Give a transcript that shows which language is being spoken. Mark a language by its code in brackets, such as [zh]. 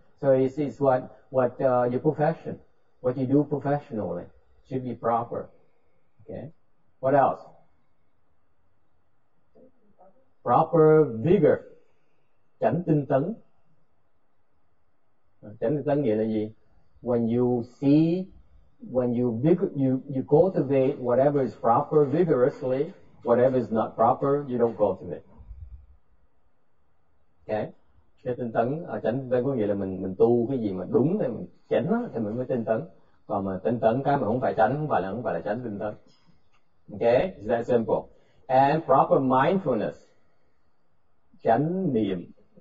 [en] So it's what your profession. What you do professionally should be proper. Okay. What else? Proper vigor. [vi] Chánh tinh tấn. Chánh tinh tấn nghĩa là gì? [en] When you see, when you cultivate whatever is proper vigorously, whatever is not proper, you don't cultivate. Okay? [vi] Chánh tinh tấn có nghĩa là mình tu cái gì mà đúng thì mình chánh đó, thì mình mới tinh tấn. Còn mà tinh tấn cái mà không phải chánh, không phải là chánh tinh tấn. [en] Okay? It's that simple. And proper mindfulness. [vi] Chánh niệm.